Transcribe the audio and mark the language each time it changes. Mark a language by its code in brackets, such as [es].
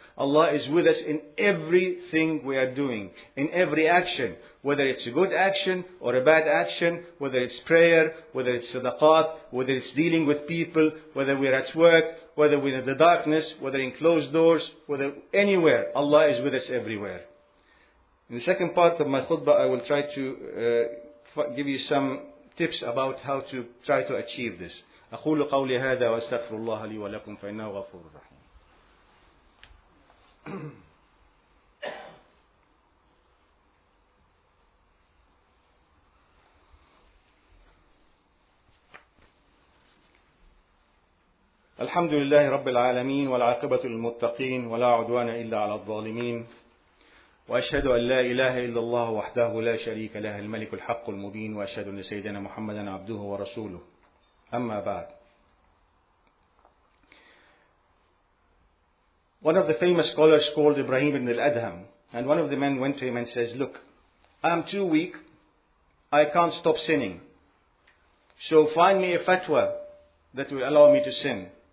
[en] Allah is with us in everything we are doing, in every action, whether it's a good action or a bad action, whether it's prayer, whether it's sadaqat, whether it's dealing with people, whether we're at work, whether we're in the darkness, whether in closed doors, whether anywhere, Allah is with us everywhere. In the second part of my khutbah, I will try to give you some tips about how to try to achieve this. [ar] أقول قولي هذا وأستغفر الله لي ولكم فإنه غفور رحيم. الحمد لله رب العالمين والعاقبة للمتقين ولا عدوان إلا على الظالمين وأشهد أن لا إله إلا الله وحده لا شريك له الملك الحق المبين وأشهد أن سيدنا محمدا عبده ورسوله أما بعد. [en] One of the famous scholars called Ibrahim ibn al-Adham, and one of the men went to him and says, look, I'm too weak, I can't stop sinning, so find me a fatwa that will allow me to sin.